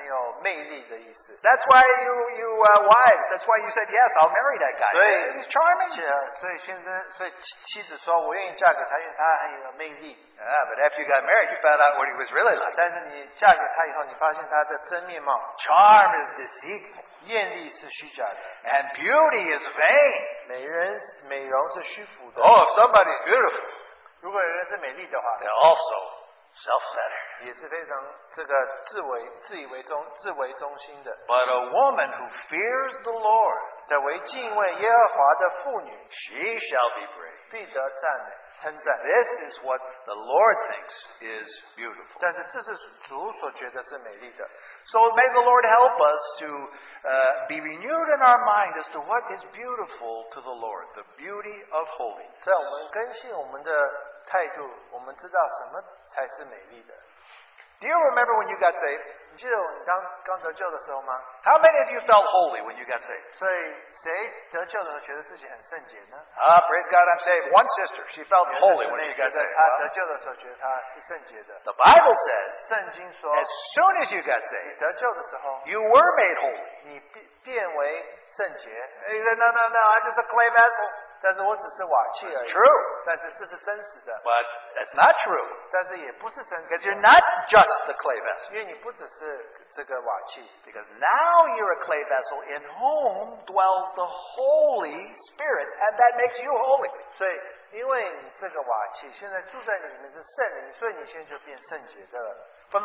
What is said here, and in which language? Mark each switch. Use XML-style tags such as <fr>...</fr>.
<zh>那是男的，他是这个很有魅力的意思。</zh> <en>That's why you wives. That's why you said yes. I'll marry that guy.</en> <zh>对,</zh> <en>he's charming.</en> <zh>所以妻子说，我愿意嫁给他，因为他很有魅力。</zh> <en>Yeah, but after you got married, you found out what he was really like.</en> <zh>但是你嫁给他以后，你发现他的真面貌。</zh> <en>Charm is deceitful.</en> <zh>艳丽是虚假的。</zh> <en>And beauty is vain.</en> <zh>美容是虚浮的。</zh> <en>Oh, if somebody's beautiful.</en> <zh>如果人是美丽的话,</zh> <en>they're also self-centered.</en> <zh>也是非常自以为中心的,</zh> <en>but a woman who fears the Lord,</en> <zh>的为敬畏耶和华的妇女,</zh> <en>she shall be praised.</en> <zh>必得赞美,</zh> <en>this is what the Lord thinks is beautiful.</en> <zh>但是这是主所觉得是美丽的。</zh> <en>So may the Lord help us to be renewed in our mind as to what is beautiful to the Lord, the beauty of holiness.</en> <zh>在我们更新我们的 态度，我们知道什么才是美丽的。</zh> <en>Do you remember when you got saved?</en> <zh>你记得你刚得救的时候吗？</zh> <en>How many of you felt holy when you got saved?</en> <zh>所以谁得救的时候觉得自己很圣洁呢？</zh> <en>Praise God, I'm saved. One sister, she felt holy when she got saved.</en> <zh>她得救的时候觉得她是圣洁的。</zh> <en>The Bible says,</en> <zh>圣经说,</zh> <en>as soon as you got saved,</en> <zh>你得救的时候,</zh> <en>you were made holy.</en> <zh>你变为圣洁。</zh> <en>No, I'm just a clay vessel. That's true. But that's not true. Because you're not just the clay vessel. Because now you're a clay vessel in whom dwells the Holy Spirit, and that makes you holy.</en> <zh>所以因为你这个瓦器现在住在里面是圣灵，所以你现在就变圣洁的了。</zh> <en>From</en>